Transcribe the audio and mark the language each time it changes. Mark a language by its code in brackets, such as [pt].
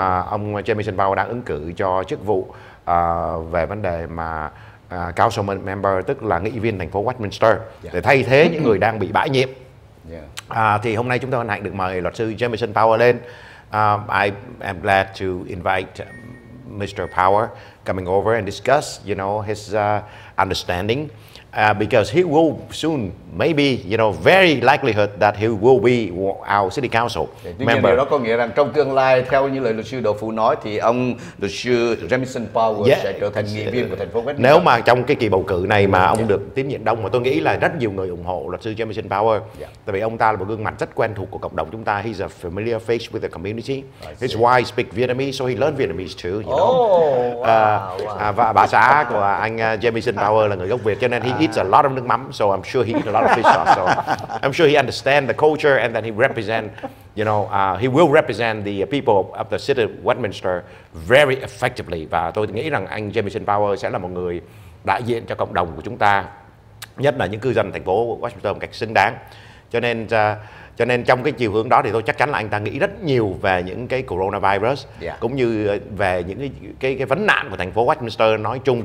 [vi] Ông Jameson Power đang ứng cử cho chức vụ về vấn đề mà council member, tức là nghị viên thành phố Westminster, để thay thế những người đang bị bãi nhiệm. Thì hôm nay chúng tôi hân hạnh được mời luật sư Jameson Power lên. [en] I am glad to invite Mr. Power coming over and discuss, you know, his understanding, because he will soon, maybe, you know, very likelihood that he will be our city council member. [vi] Điều đó có nghĩa rằng trong tương lai, theo như lời luật sư Đỗ Phú nói, thì ông luật sư Remington Power sẽ trở thành nghị viên của thành phố Westminster. Nếu mà trong cái kỳ bầu cử này mà ông được tín nhiệm đông, mà tôi nghĩ là rất nhiều người ủng hộ luật sư Remington Power, tại vì ông ta là một gương mặt rất quen thuộc của cộng đồng chúng ta. [en] He's a familiar face with the community. His wife speaks Vietnamese, so he learned Vietnamese too, you know. [vi] Và bà xã của anh Remington Power là người gốc Việt, cho nên [en] he eats a lot of [vi] nước mắm, [en] so I'm sure he eats a lot of fish sauce. So I'm sure he understands the culture, and then he represent, you know, he will represent the people of the city of Westminster very effectively. [vi] Và tôi nghĩ rằng anh Jameson Power sẽ là một người đại diện cho cộng đồng của chúng ta, nhất là những cư dân thành phố Westminster một cách xứng đáng. Cho nên trong cái chiều hướng đó thì tôi chắc chắn là anh ta nghĩ rất nhiều về những cái coronavirus, cũng như về những cái vấn nạn của thành phố Westminster nói chung.